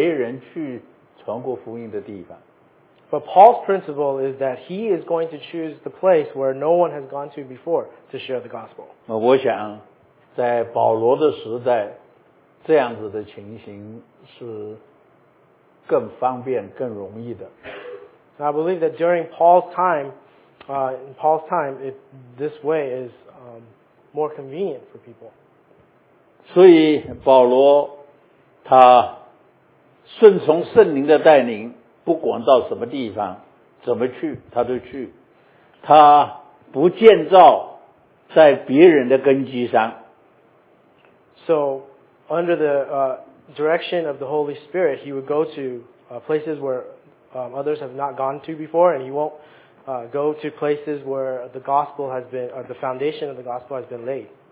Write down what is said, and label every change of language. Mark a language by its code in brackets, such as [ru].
[zh] 所以保罗他有一个原则，就是他传福音，他专门选择那个没人去传过福音的地方。 [en] But Paul's principle is that he is going to choose the place where no one has gone to before to share the gospel. [zh] 我想在保罗的时代，这样子的情形是更方便、更容易的。I [en] believe that during Paul's time, in Paul's time, this way is more convenient for people. [zh] 所以保罗他顺从圣灵的带领。不管到什么地方，怎么去，他都去。他不建造在别人的根基上。So, [en] under the direction of the Holy Spirit, he would go to places where others have not gone to before, and he won't go to places where the gospel has been, or the foundation of the gospel has been laid.